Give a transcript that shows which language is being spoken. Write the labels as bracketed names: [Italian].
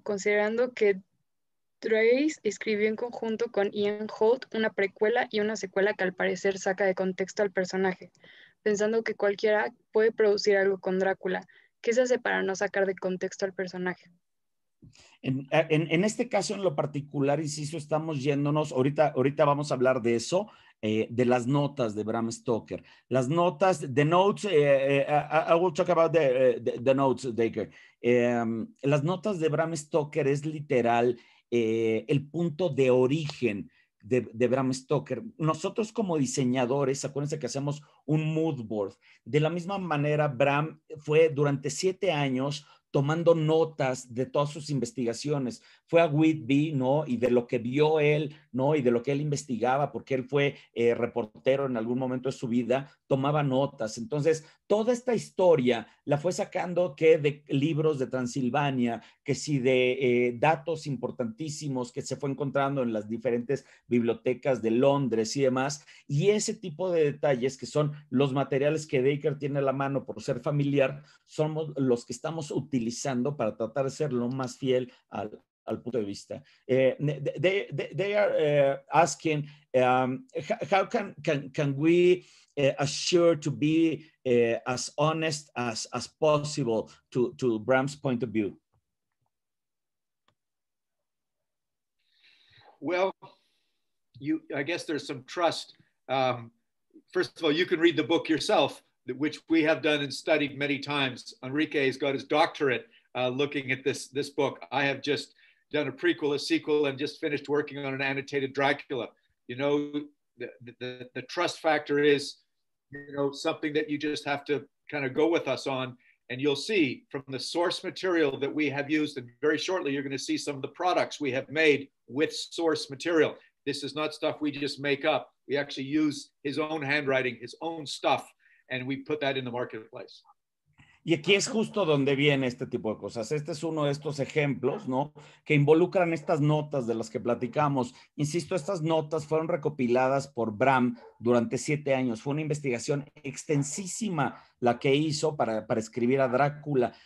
[Spanish] Considerando que Dreyfuss escribió en conjunto con Ian Holt una precuela y una secuela que al parecer saca de contexto al personaje, pensando que cualquiera puede producir algo con Drácula. ¿Qué se hace para no sacar de contexto al personaje? En este caso, en lo particular, insisto, estamos yéndonos, ahorita vamos a hablar de eso, de las notas de Bram Stoker. Las notas, [English] the notes, I will talk about the notes, Dacre. [Spanish] Las notas de Bram Stoker es literal el punto de origen de Bram Stoker. Nosotros como diseñadores, acuérdense que hacemos un mood board. De la misma manera, Bram fue durante 7 años tomando notas de todas sus investigaciones. Fue a Whitby, ¿no? Y de lo que vio él, ¿no? Y de lo que él investigaba, porque él fue reportero en algún momento de su vida, tomaba notas. Entonces, toda esta historia la fue sacando que de libros de Transilvania, que si de datos importantísimos que se fue encontrando en las diferentes bibliotecas de Londres y demás. Y ese tipo de detalles, que son los materiales que Dacre tiene a la mano por ser familiar, somos los que estamos utilizando para tratar de ser lo más fiel al punto de vista. [English] They are asking how can we assure to be as honest as possible to Bram's point of view? Well, I guess there's some trust. First of all, you can read the book yourself, which we have done and studied many times. Enrique has got his doctorate looking at this book. I have just done a prequel, a sequel, and just finished working on an annotated Dracula. You know, the trust factor is, you know, something that you just have to kind of go with us on. And you'll see from the source material that we have used, and very shortly, you're going to see some of the products we have made with source material. This is not stuff we just make up. We actually use his own handwriting, his own stuff, and we put that in the marketplace. [Spanish] Y aquí es justo donde viene este tipo de cosas. Este es uno de estos ejemplos, ¿no? Que involucran estas notas de las que platicamos. Insisto, estas notas fueron recopiladas por Bram durante 7 años. Fue una investigación extensísima la que hizo para escribir a Drácula.